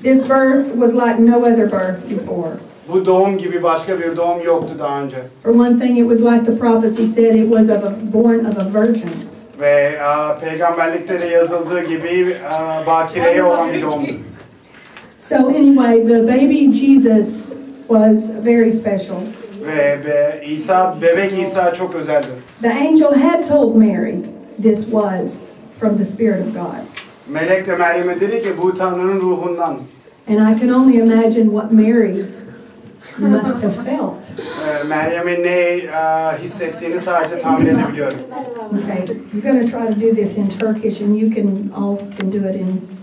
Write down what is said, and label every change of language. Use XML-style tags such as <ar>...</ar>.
<en>This birth was like no other birth before.</en> <tr>Bu doğum gibi başka bir doğum yoktu daha önce.</tr> <en>For one thing, it was like the prophecy said, it was of a, born of a virgin.</en> <tr>Ve peygamberlikte de yazıldığı gibi bakireye olan bir doğum.</tr> <en>So anyway, the baby Jesus was very special.</en> <tr>Ve İsa, bebek İsa çok özeldi.</tr> <en>The angel had told Mary this was from the Spirit of God.</en> <tr>Melek de Meryem'e dedi ki bu Tanrı'nın ruhundan.</tr> <en>And I can only imagine what Mary must have felt.</en> <tr>Meryem'in ne hissettiğini sadece tahmin edebiliyorum.</tr> <en>Okay, you're going to try to do this in Turkish and you can all can do it in...</en>